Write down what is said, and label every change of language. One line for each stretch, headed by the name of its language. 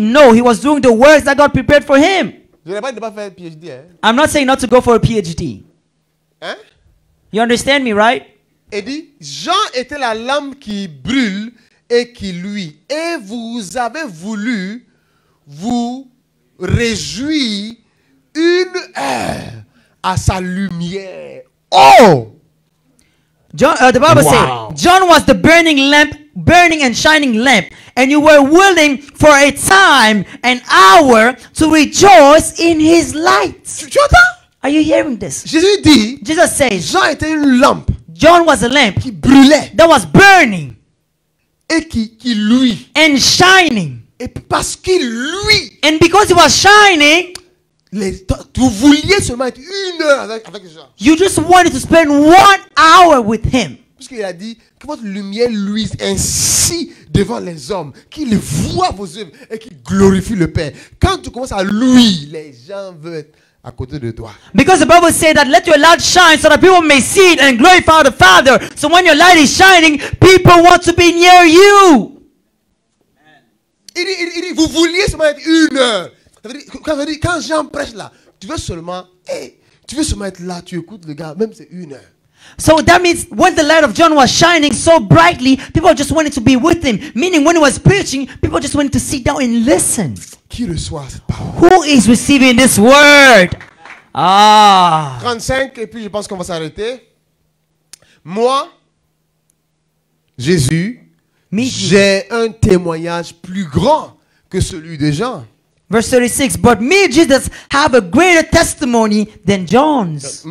English: No, he was doing the works that God prepared for him.
French: Je n'ai pas de pas faire PhD. Hein?
English: I'm not saying not to go for a PhD. Hein? You understand me, right?
French: Et dit Jean était la lampe qui brûle et qui luit. Et vous avez voulu vous réjouir une heure à sa lumière. Oh!
English: John, the Bible wow. says, John was the burning lamp, burning and shining lamp, and you were willing for a time, an hour, to rejoice in his light. Are you hearing this?
French: Jésus dit,
English: Jesus says,
French: Jean était une lampe.
English: John was a lamp
French: qui brûlait.
English: That was burning.
French: Et qui luit.
English: And shining.
French: Et parce qu'il luit.
English: And because he was shining.
French: Vous vouliez seulement être une heure avec Jean.
English: You just wanted to spend one hour with him.
French: Parce qu'il a dit que votre lumière luise ainsi devant les hommes, qu'ils voient vos œuvres et qu'ils glorifient le Père. Quand tu commences à luire, les gens veulent être à côté de toi.
English: Because the Bible says that let your light shine so that people may see it and glorify the Father. So when your light is shining, people want to be near you.
French: Il dit, vous vouliez seulement être une heure. Quand Jean prêche là, tu veux seulement être là, tu écoutes le gars, même c'est une heure.
English: So that means when the light of John was shining so brightly, people just wanted to be with him. Meaning when he was preaching, people just wanted to sit down and listen.
French: Qui reçoit cette parole?
English: Who is receiving this word?
French: 35 et puis je pense qu'on va s'arrêter. Moi, Jésus, j'ai un témoignage plus grand que celui de Jean.
English: Verse 36, but me, Jesus, have a greater testimony than John's.